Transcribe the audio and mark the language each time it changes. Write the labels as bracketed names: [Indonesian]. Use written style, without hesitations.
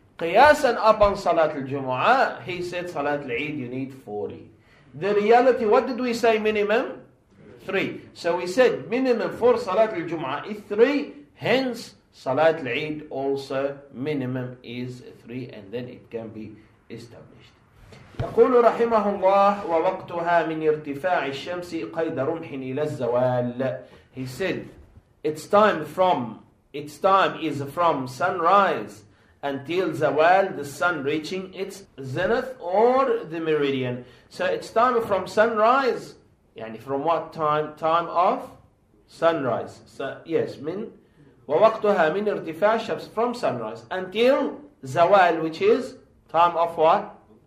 [English] Qiyasan upon Salat al-Jum'ah, he said Salat al-Eid, you need 40. The reality, what did we say minimum? 3. So we said minimum for Salat al-Jum'ah is 3. Hence, Salat al-Eid also minimum is 3. And then it can be established. [Arabic] يقول رحمه الله ووقتها من ارتفاع الشمس قيد رمح إلى الزوال. [English] He said, its time is from sunrise until Zawal, the sun reaching its zenith or the meridian. So it's time from sunrise. Yani from what time? Time of sunrise. So yes, [Arabic] min wa waqtuha min irtifa' shams, [English] from sunrise until Zawal, which is time of what?